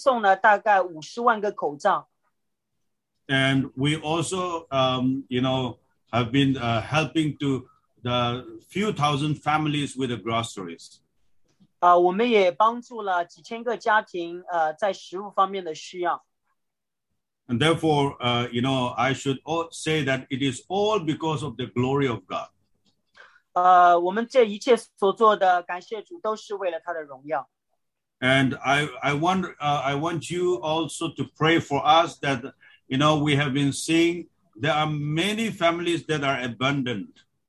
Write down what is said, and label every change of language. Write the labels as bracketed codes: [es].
[zh] 我们已经分送了大概50万个口罩。 [en] And we also, you know, have been helping to the few thousand families with the groceries. [zh] 我们也帮助了几千个家庭在食物方面的需要。 [en] And therefore, you know, I should all say that it is all because of the glory of God. [zh] 我们这一切所做的，感谢主，都是为了他的荣耀。 [en] And I want you also to pray for us that. You know, we have been seeing there are many families that are abundant.